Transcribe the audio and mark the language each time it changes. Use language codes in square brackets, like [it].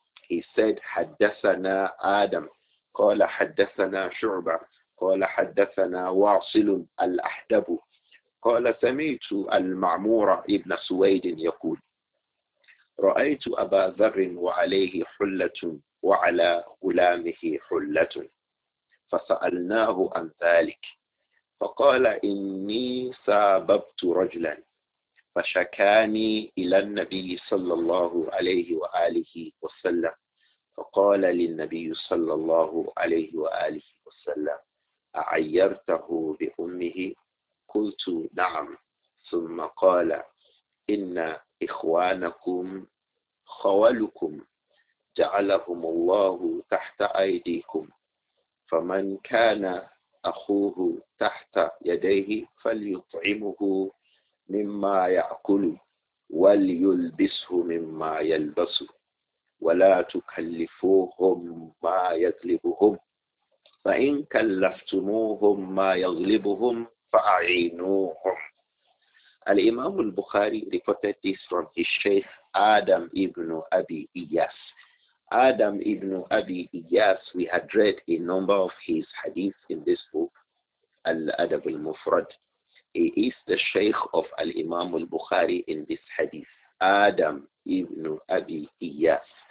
[en] He said, [ar] Haddathana Adam, Qala Haddathana Shu'ba, Qala Haddathana Wa'silun al-Ahdabu, Qala Samitu al-Ma'mura ibn Suwaydin yakul, Ra'aytu Aba Dharrin wa alayhi hullatun, وعلى غلامه حلة فسألناه عن ذلك فقال إني ساببت رجلا فشكاني إلى النبي صلى الله عليه وآله وسلم فقال للنبي صلى الله عليه وآله وسلم أعيرته بأمه؟ قلت نعم. ثم قال إن إخوانكم خولكم جعلهم الله تحت أيديكم فمن كان أخوه تحت يديه فليطعمه مما يأكل وليلبسه مما يلبس ولا تكلفوهم ما يغلبهم فإن كلفتموهم ما يغلبهم فأعينوهم. [en] الإمام البخاري reported this from his Sheikh Adam ibn Abi Iyas. Adam ibn Abi Iyas, we had read a number of his hadith in this book, Al-Adab al-Mufrad. He is the Sheikh of Al-Imam al-Bukhari in this hadith, Adam ibn Abi Iyas.